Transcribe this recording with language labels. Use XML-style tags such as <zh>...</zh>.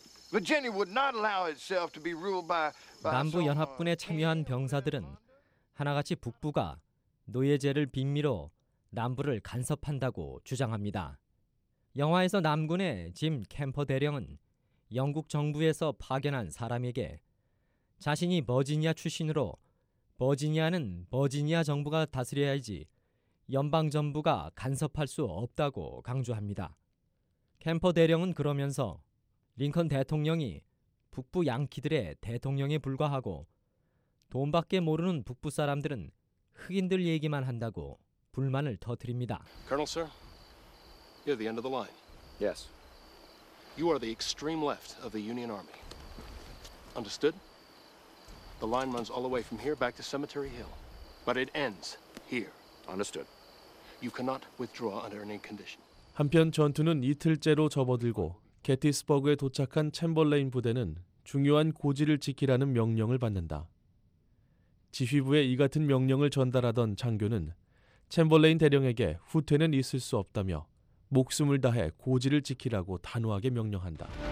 <en>Virginia would not allow itself to be ruled by</en> <ko>남부 연합군에 참여한 병사들은 하나같이 북부가 노예제를 빈미로 남부를 간섭한다고 주장합니다. 영화에서 남군의 짐 캠퍼 대령은 영국 정부에서 파견한 사람에게 자신이 버지니아 출신으로 버지니아는 버지니아 정부가 다스려야지 연방 정부가 간섭할 수 없다고 강조합니다. 캠퍼 대령은 그러면서 링컨 대통령이 북부 양키들의 대통령에 불과하고 돈밖에 모르는 북부 사람들은 흑인들 얘기만 한다고 불만을 터뜨립니다.</ko> <en>Colonel, sir, you're the end of the line. Yes. You are the extreme left of the Union Army. Understood? The line runs all the way from here back to Cemetery Hill, but it ends here. Understood. You cannot withdraw under any condition.</en> <ko>한편 전투는 이틀째로 접어들고 게티스버그에 도착한 챔버레인 부대는 중요한 고지를 지키라는 명령을 받는다. 지휘부에 이 같은 명령을 전달하던 장교는 챔버레인 대령에게 후퇴는 있을 수 없다며 목숨을 다해 고지를 지키라고 단호하게 명령한다.</ko>